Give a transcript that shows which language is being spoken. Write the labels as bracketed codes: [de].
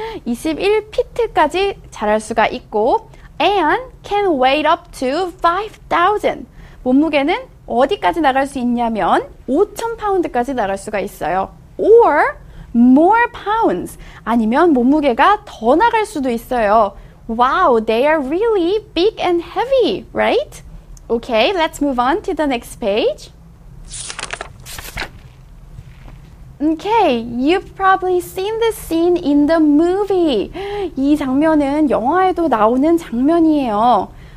[ko] 21피트까지 자랄 수가 있고 [en] and can weigh up to 5,000. [ko] 몸무게는 어디까지 나갈 수 있냐면 5,000파운드까지 나갈 수가 있어요. [en] Or more pounds. [ko] 아니면 몸무게가 더 나갈 수도 있어요. [en] Wow, they are really big and heavy, right? Okay, let's move on to the next page. Okay, you've probably seen this scene in the movie. [ko] 이 장면은 영화에도 나오는 장면이에요.